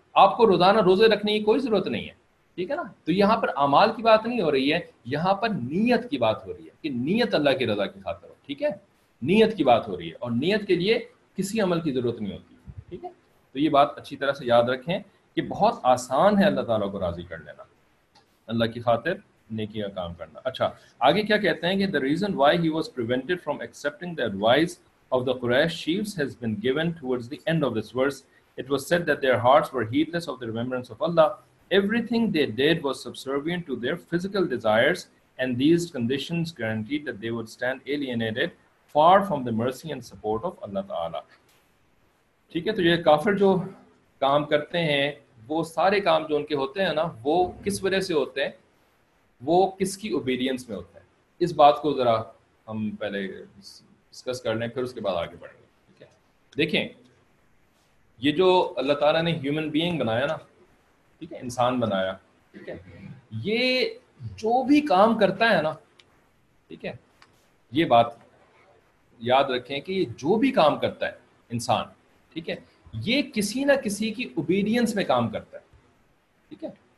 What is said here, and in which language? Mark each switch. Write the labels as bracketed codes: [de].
[ur] آپ کو روزانہ روزے رکھنے کی کوئی ضرورت نہیں ہے, ٹھیک ہے نا. تو یہاں پر اعمال کی بات نہیں ہو رہی ہے, یہاں پر نیت کی بات ہو رہی ہے کہ نیت اللہ کی رضا کی خاطر ہو, ٹھیک ہے, نیت کی بات ہو رہی ہے, اور نیت کے لیے کسی عمل کی ضرورت نہیں ہوتی, ٹھیک ہے. تو یہ بات اچھی طرح سے یاد رکھیں کہ بہت آسان ہے اللہ تعالیٰ کو راضی کر لینا, اللہ کی خاطر نیکی کا کام کرنا. اچھا, آگے کیا کہتے ہیں کہ [en] the reason why he was prevented from accepting the advice of the Quraysh chiefs has been given towards the end of this verse. It was said that their hearts were heedless of the remembrance of Allah. Everything they did was subservient to their physical desires, and these conditions guaranteed that they would stand alienated far from the mercy and support of Allah Ta'ala. [ur] ٹھیک ہے, تو یہ کافر جو کام کرتے ہیں, وہ سارے کام جو ان کے ہوتے ہیں نا, وہ کس وجہ سے ہوتے ہیں, وہ کس کی اوبیڈینس میں ہوتا ہے, اس بات کو ذرا ہم پہلے ڈسکس کر لیں, پھر اس کے بعد آگے بڑھیں گے, ٹھیک ہے. دیکھیں, یہ جو اللہ تعالیٰ نے ہیومن بینگ بنایا نا, ٹھیک ہے, انسان بنایا, ٹھیک ہے, یہ جو بھی کام کرتا ہے نا, ٹھیک ہے, یہ بات یاد رکھیں کہ یہ جو بھی کام کرتا ہے انسان, ٹھیک ہے, یہ کسی نہ کسی کی اوبیڈینس میں کام کرتا ہے, ٹھیک ہے.